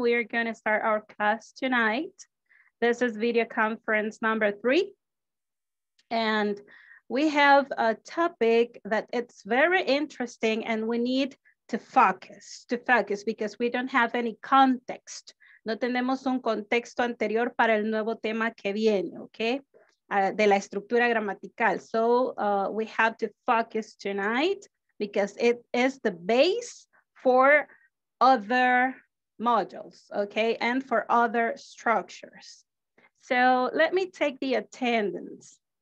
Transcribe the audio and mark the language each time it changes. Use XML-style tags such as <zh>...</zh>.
<en>We are going to start our class tonight. This is video conference number 3. And we have a topic that it's very interesting, and we need to focus because we don't have any context.</en> <es>No tenemos un contexto anterior para el nuevo tema que viene, okay? De la estructura gramatical.</es> <en>So we have to focus tonight because it is the base for other modules, okay? And for other structures. So let me take the attendance.</en>